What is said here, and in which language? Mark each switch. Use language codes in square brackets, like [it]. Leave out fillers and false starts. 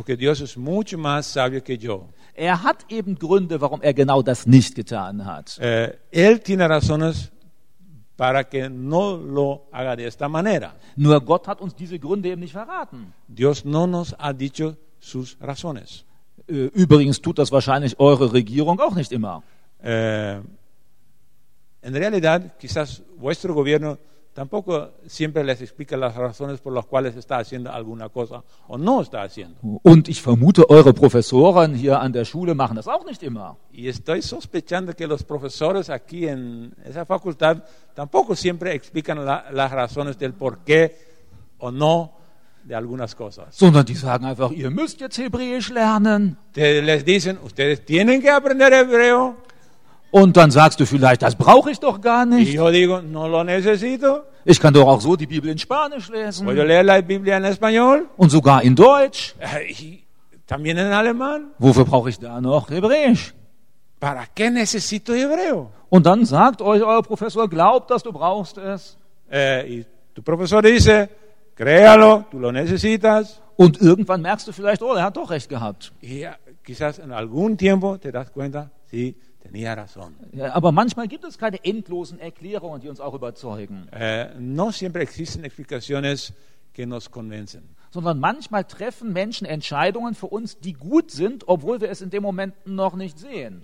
[es] Porque Dios es mucho más sabio que yo. [de] Er hat eben Gründe, warum er genau das nicht getan hat. [es] Él tiene razones para que no lo haga de esta manera. [de] Nur Gott hat uns diese Gründe eben nicht verraten. [es] Dios no nos ha dicho sus razones. [de] Übrigens tut das wahrscheinlich eure Regierung auch nicht immer. [es] En realidad, quizás vuestro gobierno tampoco siempre les explica las razones por las cuales está haciendo alguna cosa o no está haciendo. [de] Und ich vermute, eure Professoren hier an der Schule machen das auch nicht immer. [es] Y estoy sospechando que los profesores aquí en esa facultad tampoco siempre explican las razones del por qué o no de algunas cosas. [de] Sondern die sagen einfach, ihr müsst jetzt Hebräisch lernen. [es] Les dicen, ustedes tienen que aprender hebreo. [de] Und dann sagst du vielleicht, das brauche ich doch gar nicht. [es] Yo digo, no lo necesito. [de] Ich kann doch auch so die Bibel in Spanisch lesen. [es] Voy a leer la Biblia en español. [de] Und sogar in Deutsch. [es] También en alemán. [de] Wofür brauche ich da noch Hebräisch? [es] Para qué necesito hebreo? [de] Und dann sagt euch euer Professor, glaub, dass du brauchst es. [es] Y tu profesor dice, créalo, tú lo necesitas. [de] Und irgendwann merkst du vielleicht, oh, er hat doch recht gehabt. [es] Ja, quizás en algún tiempo te das cuenta, sí. Tenía razón. [de] Ja, aber manchmal gibt es keine endlosen Erklärungen, die uns auch überzeugen. [es] No siempre existen explicaciones que nos convencen. [de] Sondern manchmal treffen Menschen Entscheidungen für uns, die gut sind, obwohl wir es in dem Moment noch nicht sehen.